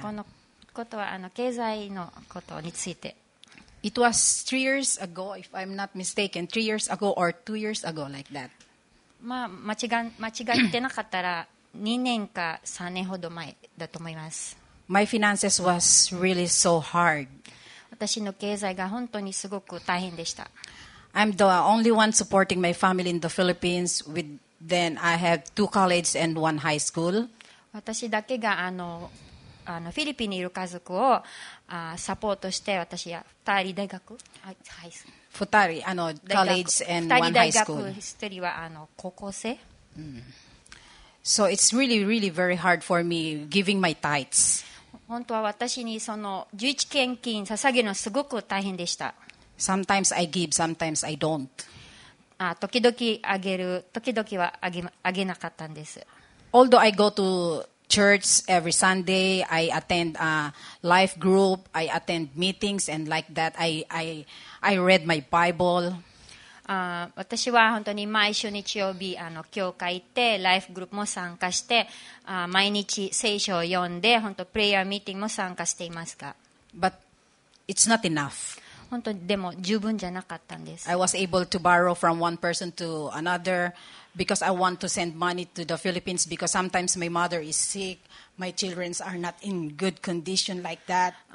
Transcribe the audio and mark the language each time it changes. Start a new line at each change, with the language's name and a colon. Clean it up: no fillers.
Japanese: このことは経済のことについて。
English: It was 3 years ago, if I'm not mistaken, 3 years ago or 2 years ago, like that.
Japanese: まあ、間違ってなかったら2年か3年ほど前だと思います。
English: My finances was really so hard.
Japanese: 私の経済が本当にすごく大変でした。
English: I'm the only one supporting my family in the Philippines. Then I have 2 college and 1 high school.
Japanese: 私だけがフィリピンにいる家族をサポートして、私は2人大学、 2人、
English: college and 1 high school。
Japanese: 2人大学、1人は高校生。
English: So it's really, really very hard for me giving my tithes.
Japanese: 本当は私にその11献金捧げるのすごく大変でした。
English: Sometimes I give, sometimes I don't.
Japanese: 時々あげる、時々はあげなかったんです。
English: Although I go to church every Sunday, I attend a life group, I attend meetings and like that, I read my Bible.
Japanese: 私は本当に毎週日曜日教会行ってライフグループも参加して毎日聖書を読んで本当プレイヤーミーティングも参加していますが
English: But it's not enough.
Japanese: 本当にでも十分じゃなかったんです。
English: I was able to borrow from one person to another because I want to send money to the Philippines because sometimes my mother is sick, my children are not in good condition like that.